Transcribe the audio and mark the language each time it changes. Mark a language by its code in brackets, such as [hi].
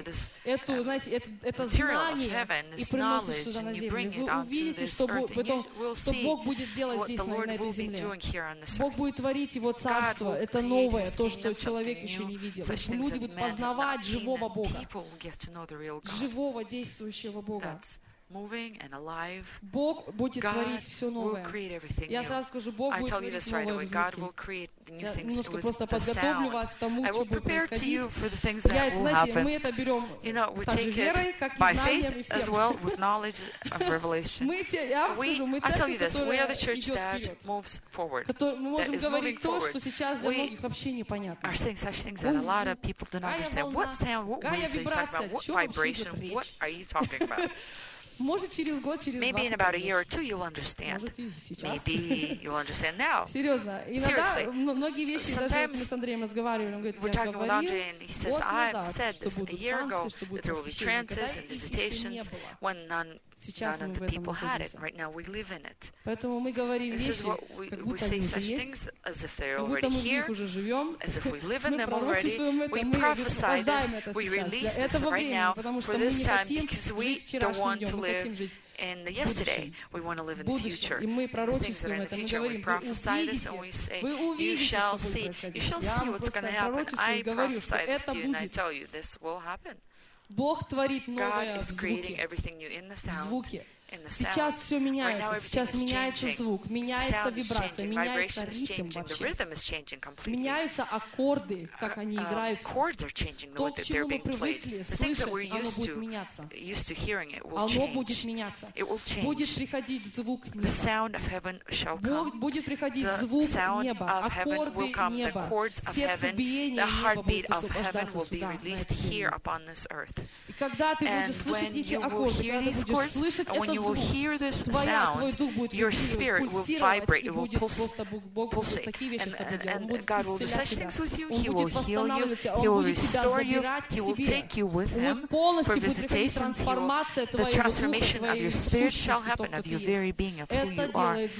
[en] this material of heaven, this knowledge, and you bring it onto this earth, and you will see what the Lord will be doing here on this earth. God will his kingdom, something new, such things that men have not seen, and people will get to know the real God. That's moving and alive. [ru] Бог будет творить всё новое. Я сразу скажу, Бог будет творить новое. [en] I tell you this right away, God will create the new things with the sound. I will prepare to you for the things that will happen. You know, we take it by faith as well with knowledge of revelation. I tell you this, we are the church that moves forward. [ru] Мы можем говорить то, что сейчас для многих вообще непонятно. [en] We are saying such things that a lot of people do not understand. What sound? What waves are you talking about? What vibration? What are you talking about? Maybe in about a year or two you'll understand. Maybe you'll understand now. Seriously. Sometimes we're talking with Andre and he says, I've said this a year ago that there will be trances and visitations when none of the people had it. Right now we live in it. This is what we say, such things as if they're already here, as if we live in them already. We prophesy this, we release this right now for this time because we don't want to live in the yesterday. We want to live in the future. Things that are in the future, we prophesy this and we say, you shall see. You shall see what's going to happen. I prophesy this to you and I tell you this will happen. God is creating everything new in the sound. [ru] Сейчас все меняется, [en] right now, [ru] сейчас меняется звук, меняется вибрация, меняется ритм вообще. Меняются аккорды, как они играют. То, к чему мы привыкли слышать, оно будет меняться. Оно будет меняться. Будет приходить звук неба. Будет приходить звук неба, аккорды неба, сердцебиение неба будет высвобождаться сюда, на этой земле. И когда ты будешь слышать эти аккорды, когда ты будешь слышать этот звук, [en] will hear this sound, your spirit will vibrate, it will pulsate, and God will do such things with you. He will heal you, He will restore you, He will take you with Him for visitations. The transformation of your spirit shall happen, of your very being, of who you are.